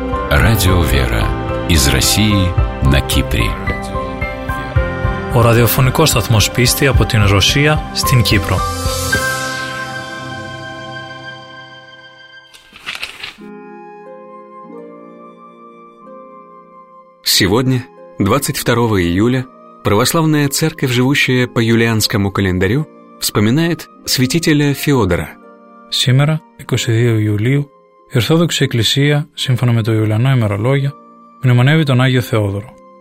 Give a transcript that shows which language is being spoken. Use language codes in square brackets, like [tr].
[ru] Радио «Вера» из России на Кипре. [el] Ο ραδιοφωνικός σταθμός πίστη από την Ρωσία στην Κύπρο. [ru] Сегодня, 22 июля, православная церковь, живущая по юлианскому календарю, вспоминает святителя Феодора. Сегодня, 22 июля, [el] η Ορθόδοξη Εκκλησία, σύμφωνα με το Ιουλιανό ημερολόγιο, μνημονεύει τον Άγιο Θεόδωρο.